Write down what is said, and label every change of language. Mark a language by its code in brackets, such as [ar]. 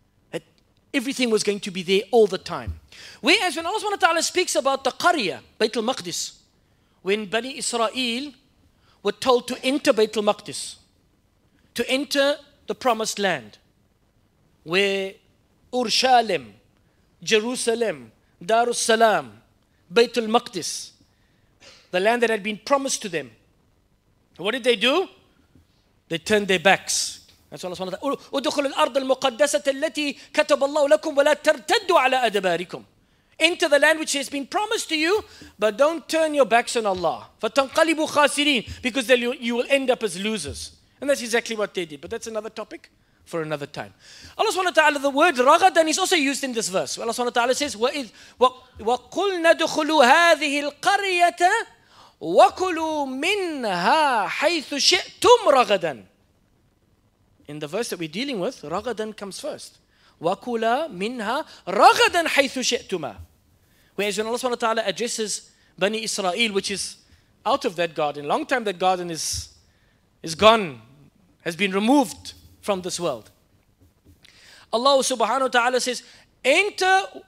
[en] That everything was going to be there all the time. Whereas when Allah subhanahu wa ta'ala speaks about the Qariya, Bayt al-Maqdis, when Bani Israel were told to enter Bayt al-Maqdis, to enter the promised land, where Urshalim, Jerusalem, Darussalam, Bayt al-Maqdis, the land that had been promised to them. What did they do? They turned their backs. That's what Allah said. [ar] ادخلوا الأرض المقدسة التي كتب الله لكم ولا ترتدوا على أدباركم. [en] Enter the land which has been promised to you, but don't turn your backs on Allah. [ar] فتنقلبوا خاسرين, [en] because then you will end up as losers. And that's exactly what they did. But that's another topic for another time. Allah subhanahu wa ta'ala, the word ragadan is also used in this verse. Allah subhanahu wa ta'ala says, [ar] وَقُلْنَا دُخُلُوا هَذِهِ الْقَرْيَةَ وَكُلُوا مِنْهَا حَيْثُ شِئْتُمْ رَغَدًا. [en] In the verse that we're dealing with, ragadan comes first. [ar] وَكُلَا مِنْهَا رَغَدًا حَيْثُ شِئْتُمَا. [en] Whereas when Allah subhanahu wa ta'ala addresses Bani Israel, which is out of that garden, long time that garden is gone, has been removed from this world. Allah subhanahu wa ta'ala says, enter